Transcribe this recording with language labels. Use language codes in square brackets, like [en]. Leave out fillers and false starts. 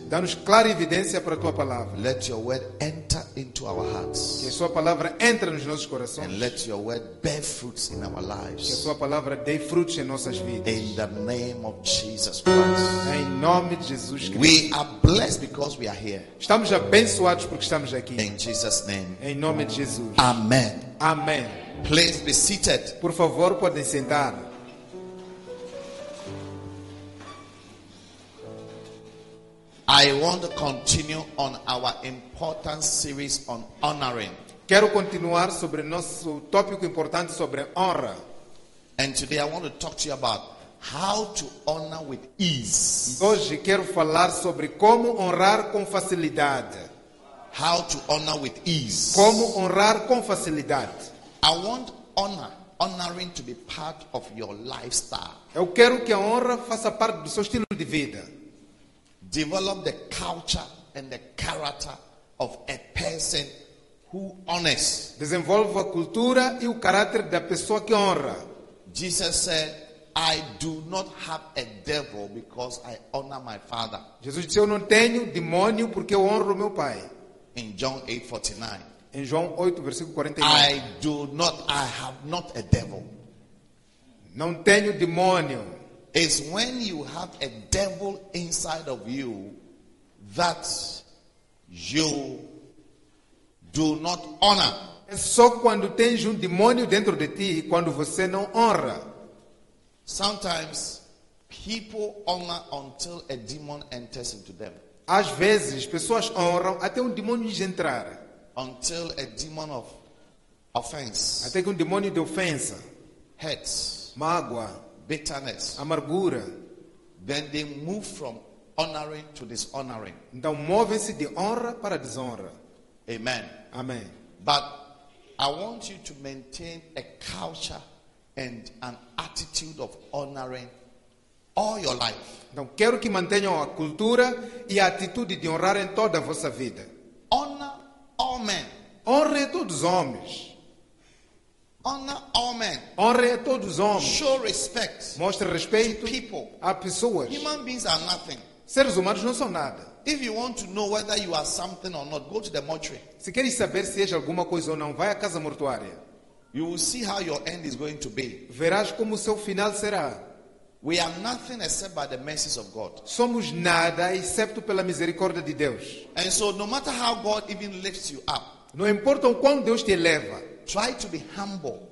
[pt] Dá-nos clara evidência para a tua palavra. [en] Let your word enter into our hearts. [pt] Que a sua palavra entre nos nossos corações. [en] And let your word bear fruits in our lives. [pt] Que a sua palavra dê frutos em nossas vidas. [en] In the name of Jesus Christ. [pt] Em nome de Jesus Cristo. [en] We are blessed because we are here. [pt] Estamos abençoados porque estamos aqui. [en] In Jesus name. [pt] Em nome de Jesus. [en] Amen. [pt] Amém. [en] Please be seated. [pt] Por favor, podem sentar. [en] I want to continue on our important series on honoring. [pt] Quero continuar sobre nosso tópico importante sobre honra. [en] And today I want to talk to you about how to honor with ease. [pt] Hoje quero falar sobre como honrar com facilidade. [en] How to honor with ease. [pt] Como honrar com facilidade. [en] I want honoring to be part of your lifestyle. [pt] Eu quero que a honra faça parte do seu estilo de vida. [en] Develop the culture and the character of a person who honors. [pt] Desenvolve a cultura e o caráter da pessoa que honra. [en] Jesus said, I do not have a devil because I honor my father. [pt] Jesus disse, eu não tenho demônio porque eu honro meu pai. [en] In John 8:49. [pt] Em João 8, versículo 49. [en] I have not a devil. [pt] Não tenho demônio. [en] It's when you have a devil inside of you that you do not honor. [pt] É só quando tens demônio dentro de ti quando você não honra. [en] Sometimes people honor until a demon enters into them. [pt] Às vezes pessoas honram até demônio entrar. [en] Until a demon of offense. [pt] Até que demônio de ofensa. [en] Hurts. [pt] Mágoa. [en] Bitterness. [pt] Amargura. [en] Then they move from honoring to dishonoring. [pt] Então move-se de honra para desonra. [en] Amen. [pt] Amém. [en] But I want you to maintain a culture and an attitude of honoring all your life. [pt] Então quero que mantenham a cultura e a atitude de honrar em toda a vossa vida. [en] Honor all men. [pt] Honre todos os homens. [en] Honor all men. [pt] Honre todos os homens. [en] Show respect. [pt] Mostre respeito [en] to people. [pt] A pessoas. [en] Human beings are nothing. [pt] Seres humanos não são nada. [en] If you want to know whether you are something or not, go to the mortuary. [pt] Se queres saber se és alguma coisa ou não, vai à casa mortuária. [en] You will see how your end is going to be. [pt] Verás como o seu final será. [en] We are nothing except by the mercies of God. [pt] Somos nada excepto pela misericórdia de Deus. [en] And so, no matter how God even lifts you up, [pt] não importa o quão Deus te eleva, [en] try to be humble.